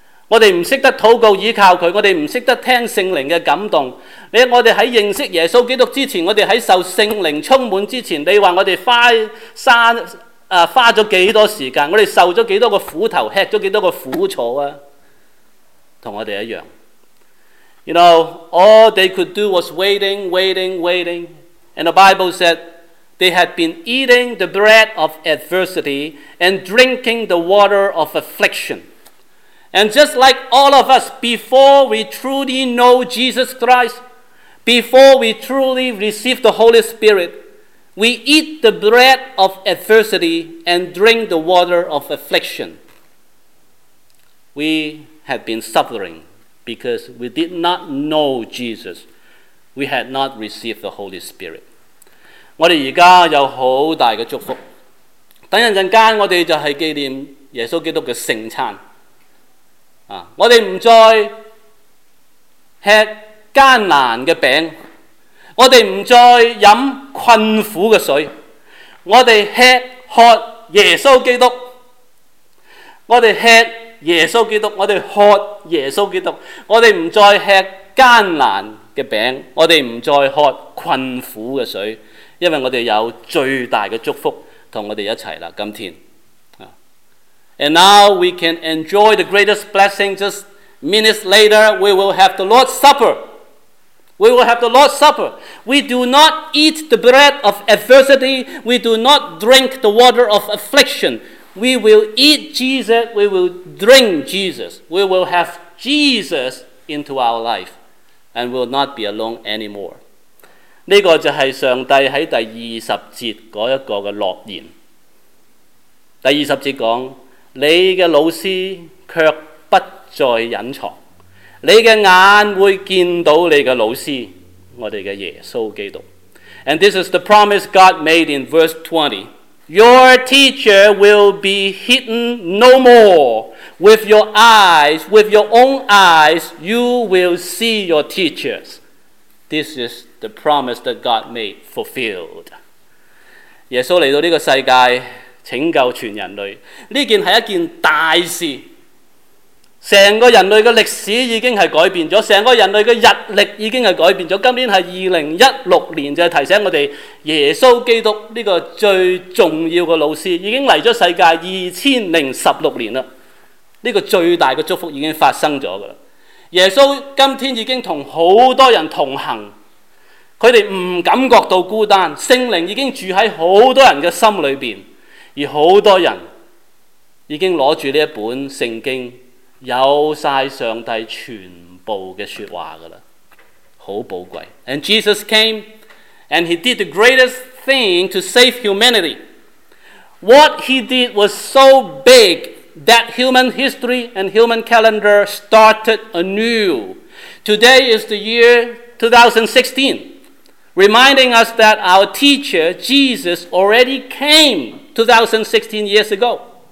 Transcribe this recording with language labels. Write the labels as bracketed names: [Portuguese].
[Chinese] 我们不懂得祷告依靠祂，我们不懂得听圣灵的感动。我们在认识耶稣基督之前，我们在受圣灵充满之前，你说我们 花了多少时间，我们受了多少苦头，吃了多少苦楚啊，跟我们一样。 [English] You know, all they could do was waiting, waiting, waiting. And the Bible said they had been eating the bread of adversity and drinking the water of affliction. And just like all of us, before we truly know Jesus Christ, before we truly receive the Holy Spirit, we eat the bread of adversity and drink the water of affliction. We had been suffering because we did not know Jesus. We had not received the Holy Spirit. [Chinese] 我们现在有很大的祝福，等一阵间我们就是纪念耶稣基督的圣餐。我们不再吃艰难的饼，我们不再喝困苦的水，我们吃喝耶稣基督，我们吃耶稣基督，我们喝耶稣基督，我们不再吃艰难的饼，我们不再喝困苦的水，因为我们有最大的祝福跟我们一起了。今天 [English] And now we can enjoy the greatest blessing. Just minutes later, we will have the Lord's Supper. We will have the Lord's Supper. We do not eat the bread of adversity. We do not drink the water of affliction. We will eat Jesus. We will drink Jesus. We will have Jesus into our life. And will not be alone anymore. [Chinese] 这个就是上帝在第二十节那一个的诺言。第二十节说，你的老师却不再隐藏，你的眼会见到你的老师，我们的耶稣基督。 [English] And this is the promise God made in verse 20. Your teacher will be hidden no more. With your eyes, with your own eyes, you will see your teachers. This is the promise that God made fulfilled. [Chinese] 耶稣来到这个世界拯救全人类，这件是一件大事，整个人类的历史已经是改变了，整个人类的日历已经是改变了。今年是2016年，就是提醒我们耶稣基督这个最重要的老师已经来了世界2016年了，这个最大的祝福已经发生了。耶稣今天已经跟很多人同行，他们不感觉到孤单，圣灵已经住在很多人的心里面，而很多人已经拿着这本圣经有晒上帝全部的说话了，好宝贵。 [English] And Jesus came and he did the greatest thing to save humanity. What he did was so big that human history and human calendar started anew. Today is the year 2016, reminding us that our teacher Jesus already came 2016 years ago.